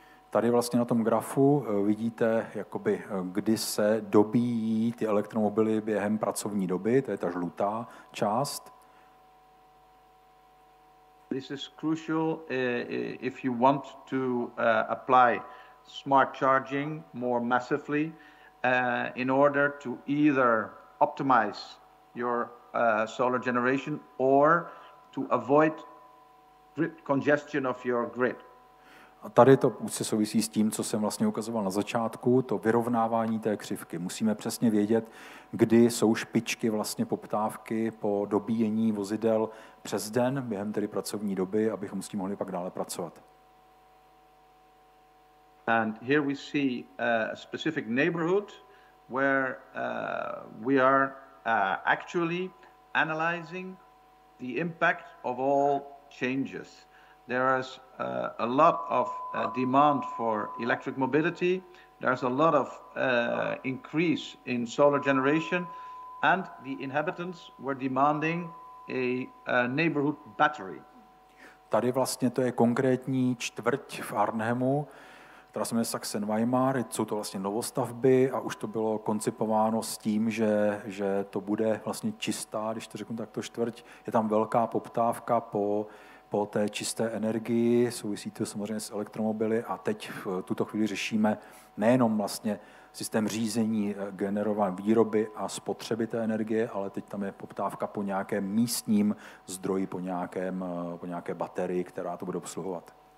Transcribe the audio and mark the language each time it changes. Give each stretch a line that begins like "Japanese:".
Czech: Tady vlastně na tom grafu vidíte, jakoby, kdy se dobíjí ty elektromobily během pracovní doby, to je ta žlutá část.
English: This is crucial if you want to apply smart charging more massively in order to either optimize your solar generation or to avoid grid congestion of your grid.
Czech: A tady to úzce souvisí s tím, co jsem vlastně ukazoval na začátku, to vyrovnávání té křivky. Musíme přesně vědět, kdy jsou špičky vlastně poptávky po dobíjení vozidel přes den, během tedy pracovní doby, abychom s tím mohli pak dále pracovat.
English: And here we see a specific neighborhood where we are actually analyzing the impact of all changes. There is a lot of demand for electric mobility. There's a lot of increase in solar generation, and the inhabitants were demanding a neighborhood battery.
Czech: Tady vlastně to je konkrétní čtvrť v Arnhemu, která se jmenuje Sachsen-Weimar, jsou to vlastně novostavby a už to bylo koncipováno s tím, že to bude vlastně čistá, když to řeknu takto čtvrť, je tam velká poptávka po té čisté energii, souvisí to samozřejmě s elektromobily a teď v tuto chvíli řešíme nejenom vlastně systém řízení generované výroby a spotřeby té energie, ale teď tam je poptávka po nějakém místním zdroji, po nějaké baterii, která to bude obsluhovat.